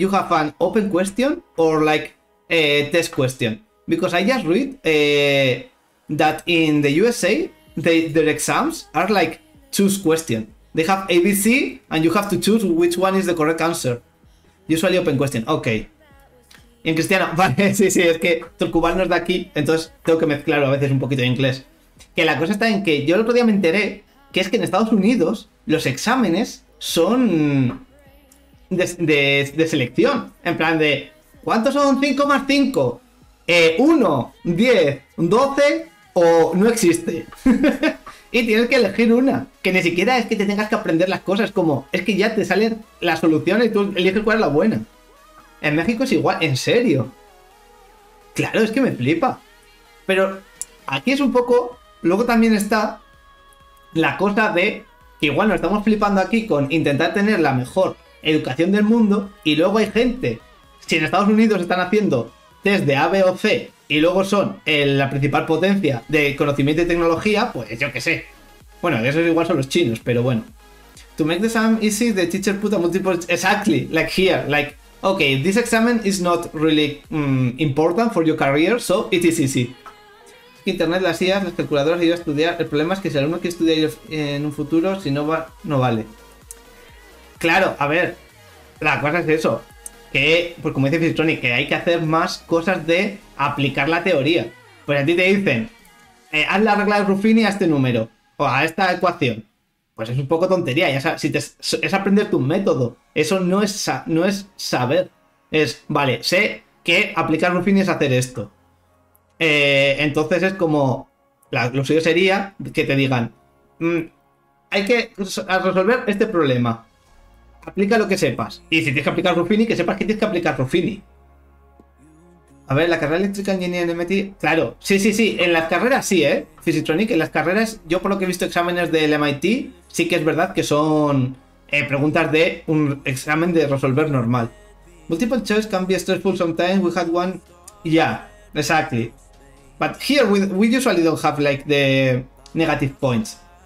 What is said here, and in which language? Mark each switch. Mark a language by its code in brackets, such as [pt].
[en] You have an open question or like a test question? Because I just read that in the USA, their exams are like choose question. They have ABC and you have to choose which one is the correct answer. Usually open question, ok. [es] En cristiano, vale, sí, es que Torcubal no es de aquí, entonces tengo que mezclarlo a veces un poquito en inglés. Que la cosa está en que yo el otro día me enteré que es que en Estados Unidos los exámenes son de selección. En plan de, ¿cuántos son 5 más 5? 1, 10, 12 o no existe. Y tienes que elegir una. Que ni siquiera es que te tengas que aprender las cosas, como, es que ya te salen las soluciones y tú eliges cuál es la buena. En México es igual, ¿en serio? Claro, es que me flipa. Pero aquí es un poco, luego también está la cosa de que igual nos estamos flipando aquí con intentar tener la mejor educación del mundo, y luego hay gente, si en Estados Unidos están haciendo test de A, B o C y luego son la principal potencia de conocimiento y tecnología, pues yo qué sé. Bueno, eso es igual son los chinos, pero bueno. [en] To make the exam easy, the teacher put a multiple... Exactly, like here, like, okay, this exam is not really important for your career, so it is easy. [es] Internet, las IAs, las calculadoras, ayuda a estudiar. El problema es que si el alumno quiere estudiar en un futuro, si no va, no vale. Claro, a ver, la cosa es eso. Que, pues como dice Fisitronic, que hay que hacer más cosas de aplicar la teoría. Pues a ti te dicen, haz la regla de Ruffini a este número, o a esta ecuación. Pues es un poco tontería, ya sabes, si es aprender tu método. Eso no es saber. Es, vale, sé que aplicar Ruffini es hacer esto. Entonces es como, lo suyo sería que te digan, hay que resolver este problema. Aplica lo que sepas. Y si tienes que aplicar Ruffini, que sepas que tienes que aplicar Ruffini. A ver, la carrera eléctrica, ingeniería en MIT. Claro, sí. En las carreras sí, ¿eh? Physitronic, en las carreras, yo por lo que he visto exámenes del MIT, sí que es verdad que son preguntas de un examen de resolver normal. [en] Multiple choice can be stressful sometimes. We had one. Yeah, exactly. But here we usually don't have like the negative points.